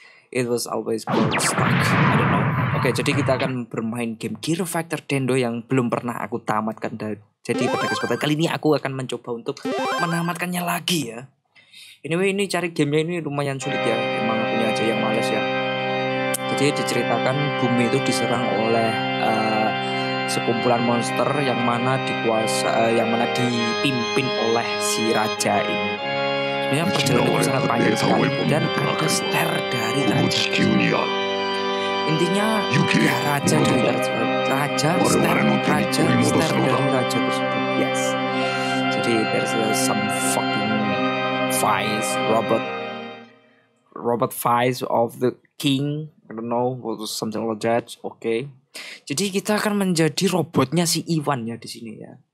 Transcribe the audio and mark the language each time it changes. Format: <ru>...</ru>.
<en>It was always gold stuck, I don't know.</en> <id>Okay, jadi kita akan bermain game Gear Fighter Dendo yang belum pernah aku tamatkan. Jadi pada kesempatan kali ini aku akan mencoba untuk menamatkannya lagi ya. Anyway, ini cari gamenya ini lumayan sulit ya. Emang aku aja yang males ya. Jadi diceritakan bumi itu diserang oleh sekumpulan monster yang mana dipimpin oleh si raja ini. Ya, perjalanan sangat panjang sekali dan ada star dari raja. Intinya ya, raja dari raja tersebut. Yes.</id> <en>Jadi there's some fucking fights, robot fights of the king, I don't know what, something like that. Okay.</en> <id>Jadi kita akan menjadi robotnya si Ivan ya di sini ya.</id>